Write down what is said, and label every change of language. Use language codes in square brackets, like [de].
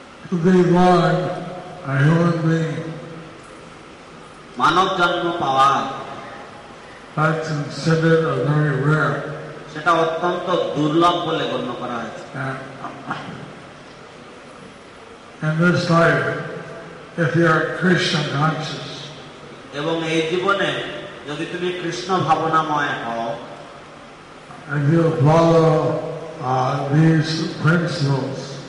[en] To be born a human being. [bn] Manav janma pawa. [en] That's considered a very rare. [bn] সেটা অত্যন্ত দুর্লভ বলে গণ্য করা হয়েছে. [en] And this life, if you are Krishna conscious, [bn] এবং এই জীবনে যদি তুমি কৃষ্ণ ভাবনাময় হও, [en] and you follow these principles,